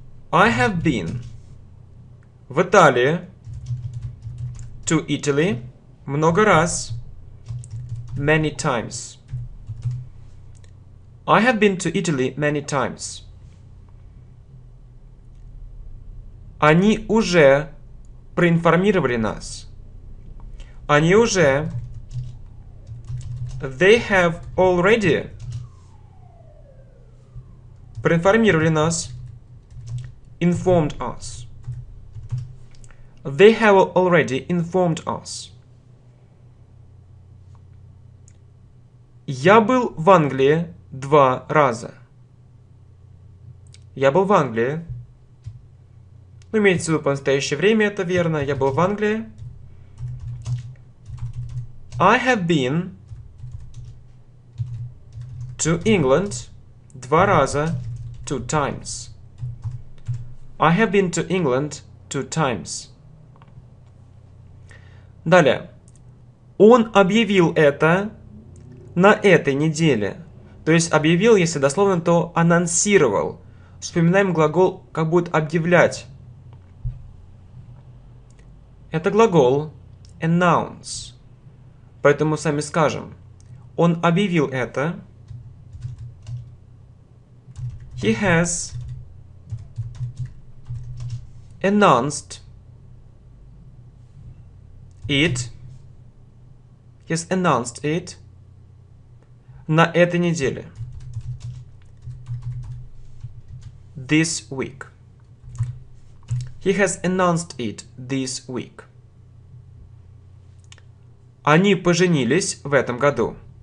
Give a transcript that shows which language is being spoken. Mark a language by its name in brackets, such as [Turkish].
[English] I have been [Russian] в Италии [English] to Italy [Russian] много раз. [English] Many times. I have been to Italy many times. [Russian] Они уже проинформировали нас. Они уже. [English] They have already [Russian] проинформировали нас. [English] Informed us. They have already informed us. [Russian] Я был в Англии два раза. Я был в Англии. Ну, имеется в виду, по настоящее время это верно. Я был в Англии. [English] I have been to England [Russian] два раза, [English] two times. I have been to England two times. [Russian] Далее. Он объявил это на этой неделе. То есть объявил, если дословно, то анонсировал. Вспоминаем глагол, как будет объявлять. Это глагол announce. Поэтому сами скажем. Он объявил это. [English] He has announced it. He has announced it. [Russian] На этой неделе. [English] This week. He has announced it this week. [Russian] Они поженились в этом году.